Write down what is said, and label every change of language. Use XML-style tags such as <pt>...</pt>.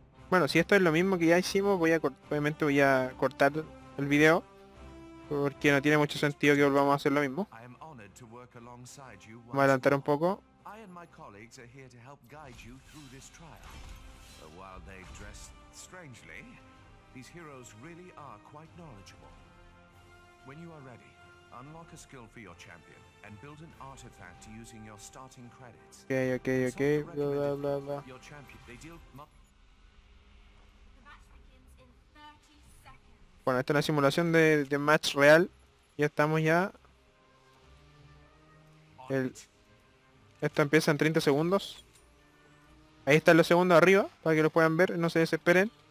<es>Bueno, si esto es lo mismo que ya hicimos, voy a cortar el video porque no tiene mucho sentido que volvamos a hacer lo mismo. Vamos a adelantar un poco.</es> <en>I and my colleagues are here to help guide you through this trial. But while they dress strangely, these heroes really are quite knowledgeable. When you are ready, unlock a skill for your champion and build an artifact using your starting credits. Okay. Blah, blah, blah. Your champion, they deal the match begins in 30 seconds.</en> <es>Bueno, esta es la simulación de match real. Ya estamos ya. Esto empieza en 30 segundos. Ahí están los segundos arriba, para que lo puedan ver, no se desesperen.</es>